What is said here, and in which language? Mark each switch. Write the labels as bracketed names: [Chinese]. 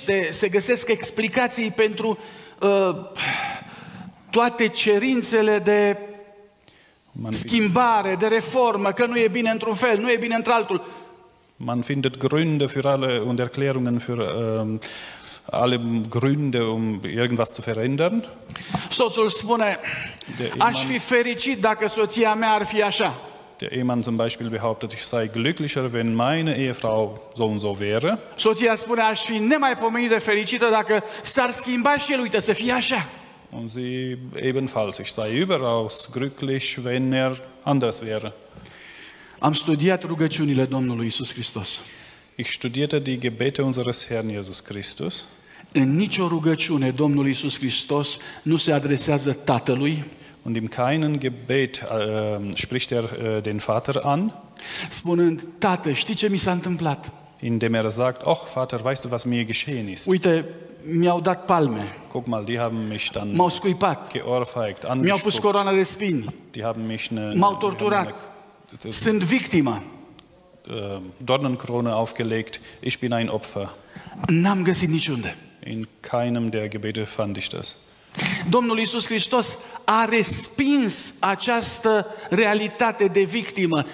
[Romanian] Se găsesc explicații pentru toate cerințele de schimbare, de reformă, că nu e bine într-un fel, nu e bine într-altul. [German] Man findet Gründe für alle und Erklärungen für alle Gründe, um irgendwas zu verändern. [Romanian] Soțul spune, aș fi fericit dacă soția mea ar fi așa. [German] Der Ehemann zum Beispiel behauptet, ich sei glücklicher, wenn meine Ehefrau so und so wäre. [Romanian] Soția spune, aș fi nemaipomenit de fericită dacă s-ar schimba și el, uite, să fie așa. [German] Und sie ebenfalls, ich sei überaus glücklich, wenn er anders wäre. [Romanian] Am studiat rugăciunile Domnului Iisus Hristos. [German] Ich studierte die Gebete unseres Herrn Jesus Christus. [Romanian] În nicio rugăciune Domnului Iisus Hristos nu se adresează Tatălui. [German] Und in keinem Gebet spricht er den Vater an. [Romanian] Spunând, Tată, știi ce mi s-a întâmplat? [German] Indem er sagt, oh Vater, weißt du, was mir geschehen ist? [Romanian] Uite, mi-au dat palme. [German] Guck mal, die haben mich dann [Romanian] m-au scuipat. [German] Geohrfeigt, angespuckt. [Romanian] Mi-au pus coroana de spini. [German] Die haben mich [Romanian] m-au torturat. Sunt victima. [German] Dornenkrone aufgelegt. Ich bin ein Opfer. [Romanian] N-am găsit niciunde. [German] In keinem der Gebete fand ich das. [Romanian] Domnul Iisus Hristos a respins această realitate de victimă.